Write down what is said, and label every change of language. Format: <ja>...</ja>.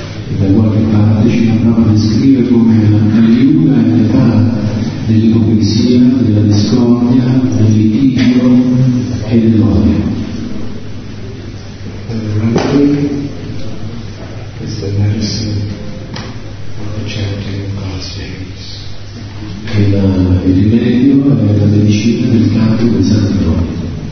<it>E da qualche parte ci andava a descrivere come Kali Yuga è l'età dell'ipocrisia, della discordia, dell'invidia e dell'odio.</it> <en>The remedy is the medicine of the chanting of God's names.</en> <it>E il rimedio è la medicina del canto del Santo.</it>